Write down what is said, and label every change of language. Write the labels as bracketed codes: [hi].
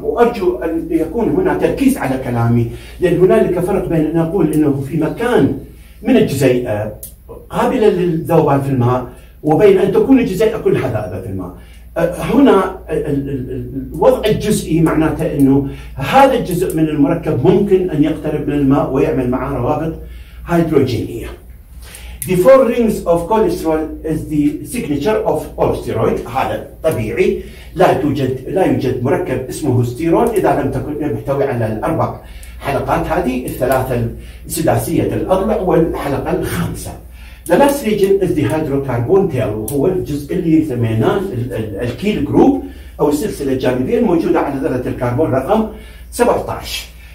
[ar] وأرجو أن يكون هنا تركيز على كلامي، لأن هنالك فرق بين أن أقول أنه في مكان من الجزيئة قابلة للذوبان في الماء، وبين أن تكون الجزيئة كلها ذائبة في الماء. هنا الوضع الجزئي معناته أنه هذا الجزء من المركب ممكن أن يقترب من الماء ويعمل معه روابط هيدروجينية. [en] The four rings of cholesterol is the signature of all steroid. [ar] هذا طبيعي، لا يوجد مركب اسمه ستيرول إذا لم تكن محتوي على الأربع حلقات هذه، الثلاثة السداسية الأضلع والحلقة الخامسة. [en] The last region is the hydrocarbon tail، [ar] وهو الجزء اللي سميناه الكيل جروب أو السلسلة الجانبية الموجودة على ذرة الكربون رقم 17.